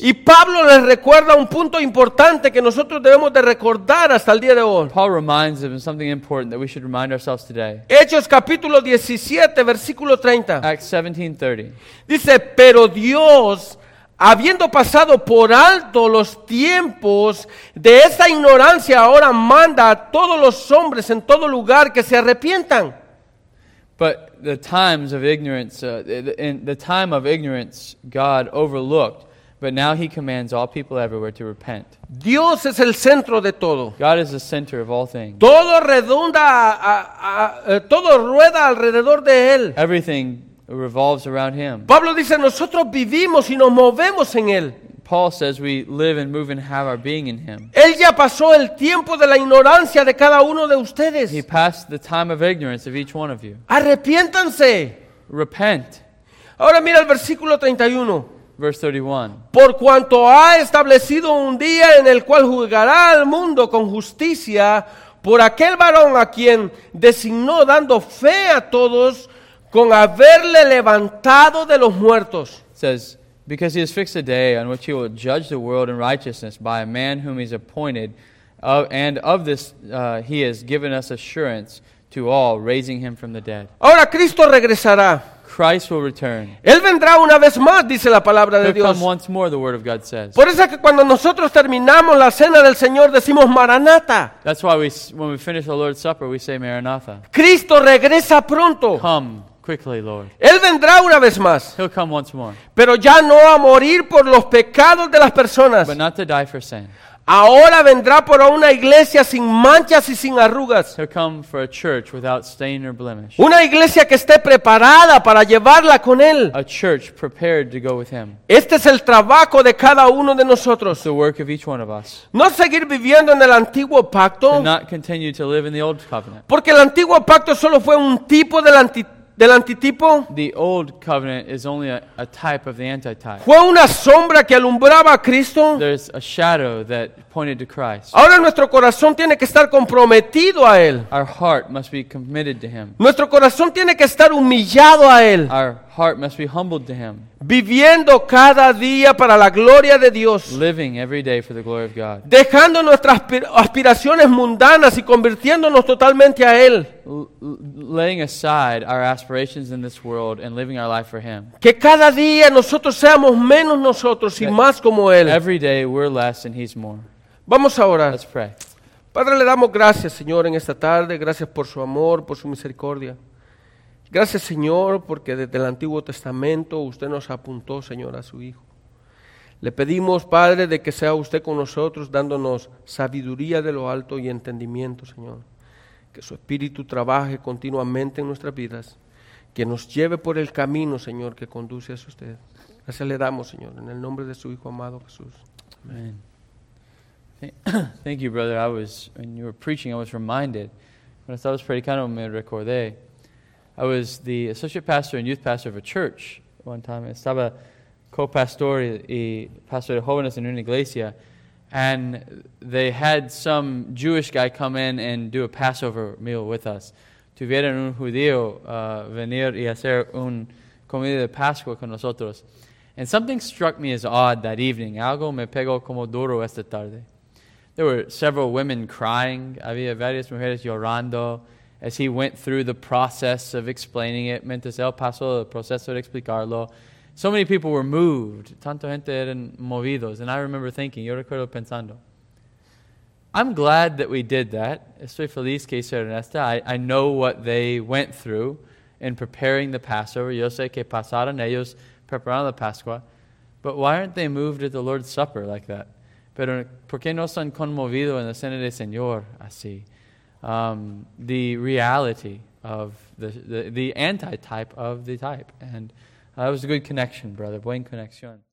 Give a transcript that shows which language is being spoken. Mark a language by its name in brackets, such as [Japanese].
[Spanish] Y Pablo les recuerda un punto importante que nosotros debemos de recordar hasta el día de hoy. [English] Paul reminds them of something important that we should remind ourselves today. [Spanish] Hechos capítulo 17, versículo 30. [English] Acts 17:30. [Spanish] Dice, pero Dios, habiendo pasado por alto los tiempos de esa ignorancia, ahora manda a todos los hombres en todo lugar que se arrepientan. [English] But the times of ignorance, in the time of ignorance, God overlooked, but now he commands all people everywhere to repent. [Spanish] Dios es el centro de todo. [English] God is the center of all things. [Spanish] Todo redunda, todo rueda alrededor de él. [English] Everything revolves around him. [Spanish] Pablo dice, nosotros vivimos y nos movemos en él. [English] Paul says we live and move and have our being in him. [Spanish] Él ya pasó el tiempo de la ignorancia de cada uno de ustedes. [English] He passed the time of ignorance of each one of you. [Spanish] Arrepiéntanse. [English] Repent. [Spanish] Ahora mira el versículo 31. [English] Verse 31. [Spanish] Por cuanto ha establecido un día en el cual juzgará al mundo con justicia por aquel varón a quien designó dando fe a todos con haberle levantado de los muertos. [English] It says, because he has fixed a day on which he will judge the world in righteousness by a man whom he's appointed, and of this he has given us assurance to all, raising him from the dead. [Spanish] Ahora Cristo regresará. [English] Christ will return. [Spanish] Él vendrá una vez más, dice la palabra de Dios. [English] He'll come once more, the word of God says. [Spanish] Por eso es que cuando nosotros terminamos la cena del Señor decimos Maranatha. [English] That's why when we finish the Lord's Supper we say Maranatha. [Spanish] Cristo regresa pronto. [English] Come quickly, Lord. [Spanish] Él vendrá una vez más. [English] He'll come once more. [Spanish] Pero ya no a morir por los pecados de las personas. [English] But not to die for sin. [Spanish] Ahora vendrá por una iglesia sin manchas y sin arrugas. [English] He'll come for a church without stain or blemish. [Spanish] Una iglesia que esté preparada para llevarla con él. [English] A church prepared to go with him. [Spanish] Este es el trabajo de cada uno de nosotros. [English] It's the work of each one of us. [Spanish] No seguir viviendo en el antiguo pacto. [English] And not continue to live in the old covenant. [Spanish] Porque el antiguo pacto solo fue un tipo del antitipo. [English] The old covenant is only a type of the anti-type. [Spanish] Fue una sombra que alumbraba a Cristo. [English] There's a shadow that pointed to Christ. [Spanish] Ahora nuestro corazón tiene que estar comprometido a él. [English] Our heart must be committed to him. [Spanish] Nuestro corazón tiene que estar humillado a él. [English] Our heart must be humbled to him. [Spanish] Viviendo cada día para la gloria de Dios. [English] Living every day for the glory of God. [Spanish] Dejando nuestras aspiraciones mundanas y convirtiéndonos totalmente a él. [English] Laying aside our aspirations in this world and living our life for him. [Spanish] Que cada día nosotros seamos menos nosotros y más como él. [English] Every day we're less and he's more. [Spanish] Vamos a orar. [English] Let's pray. [Spanish] Padre, le damos gracias, Señor, en esta tarde. Gracias por su amor, por su misericordia. Gracias, Señor, porque desde el Antiguo Testamento usted nos apuntó, Señor, a su Hijo. Le pedimos, Padre, de que sea usted con nosotros dándonos sabiduría de lo alto y entendimiento, Señor. Que su Espíritu trabaje continuamente en nuestras vidas. Que nos lleve por el camino, Señor, que conduce a usted. Gracias le damos, Señor, en el nombre de su Hijo amado Jesús. [English] Amén. Thank you, brother. When you were preaching, I was reminded. When I thought it was pretty kind of [Spanish] me recordé. [English] I was the associate pastor and youth pastor of a church one time. [Spanish] Estaba co-pastor y pastor de jóvenes en una iglesia. [English] And they had some Jewish guy come in and do a Passover meal with us. [Spanish] Tuvieron un judío venir y hacer un comida de Pascua con nosotros. [English] And something struck me as odd that evening. [Spanish] Algo me pegó como duro esta tarde. [English] There were several women crying. [Spanish] Había varias mujeres llorando. [English] As he went through the process of explaining it, [Spanish] mientras él pasó el proceso de explicarlo, [English] so many people were moved. [Spanish] Tanto gente eran movidos. [English] And I remember thinking, [Spanish] yo recuerdo pensando, [English] I'm glad that we did that. [Spanish] Estoy feliz que hicieron esta. [English] I know what they went through in preparing the Passover. [Spanish] Yo sé que pasaron ellos preparando la Pascua. [English] But why aren't they moved at the Lord's Supper like that? [Spanish] Pero por qué no son conmovidos en la cena del Señor así? [English] The reality of the anti-type of the type. And that was a good connection, brother. [Spanish] Buen conexión.